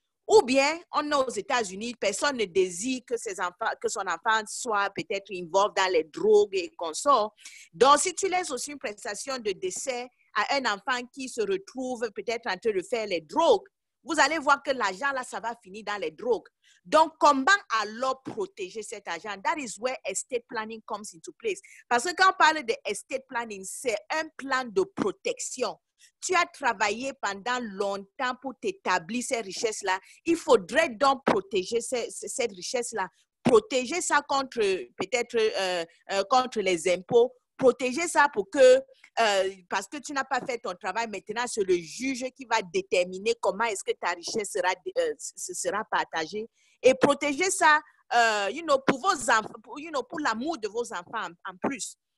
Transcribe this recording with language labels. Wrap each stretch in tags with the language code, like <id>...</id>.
<fr>Ou bien, on est aux États-Unis, personne ne désire que ses enfants, que son enfant soit peut-être involved dans les drogues et consorts. Donc, si tu laisses aussi une prestation de décès à un enfant qui se retrouve peut-être en train de faire les drogues, vous allez voir que l'argent là, ça va finir dans les drogues. Donc, comment alors protéger cet argent?</fr> <en>That is where estate planning comes into place.</en> <fr>Parce que quand on parle de estate planning, c'est un plan de protection. Tu as travaillé pendant longtemps pour t'établir ces richesses-là. Il faudrait donc protéger cette richesse-là protéger ça contre peut-être contre les impôts, protéger ça pour que parce que tu n'as pas fait ton travail, maintenant c'est le juge qui va déterminer comment est-ce que ta richesse sera sera partagée, et protéger ça</fr> <en>you know,</en> <fr>pour vos enfants, you know, pour l'amour de vos enfants en plus.</fr>